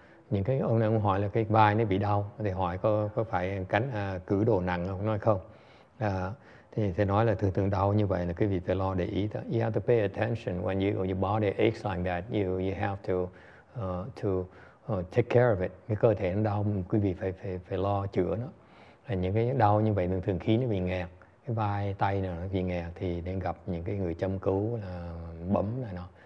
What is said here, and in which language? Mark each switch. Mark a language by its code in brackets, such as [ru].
[vi] Những cái ông này ông hỏi là cái vai nó bị đau thì hỏi có phải cánh cử đồ nặng không, nói không thì nói là thường thường đau như vậy là quý vị phải lo để ý đó. [en] You have to pay attention when your body aches like that, you have to take care of it. [vi] Cái cơ thể nó đau quý vị phải lo chữa nó. Là những cái đau như vậy thường thường khí nó bị nghẹt, cái vai tay nó bị nghẹt thì nên gặp những cái người châm cứu là bấm này nó.